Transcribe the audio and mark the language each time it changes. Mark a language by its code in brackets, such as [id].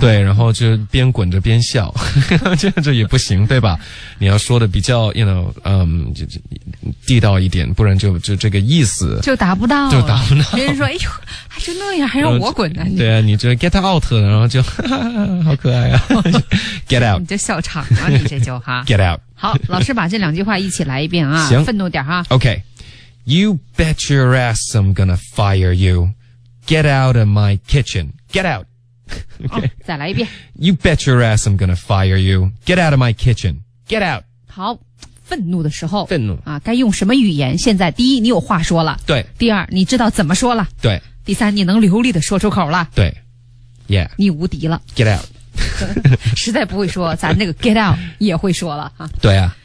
[zh] 对然后就边滚着边笑。这样就也不行对吧你要说的比较 [en] you know, [zh] 地道一点不然就这个意思。就达不到了。就达不到。别人说哎呦还就那样还让我滚呢、对啊你就 [en] get out, [zh] 然后就哈哈好可爱啊。get out. 你就笑场了、你这就哈。 [en] get out. [zh] 好老师把这两句话一起来一遍啊行愤怒点啊。 [en] OK. You bet your ass I'm gonna fire you. Get out of my kitchen. Get out. [zh] OK. 再来一遍。 [en] You bet your ass I'm gonna fire you. Get out of my kitchen. Get out. [zh] 好愤怒的时候。愤怒。啊该用什么语言现在第一你有话说了。对。第二你知道怎么说了。对。第三你能流利的说出口了。对。Yeah. 你无敌了。 [en] Get out. [zh] 实在不会说咱那个 [en] get out [zh] 也会说了、对啊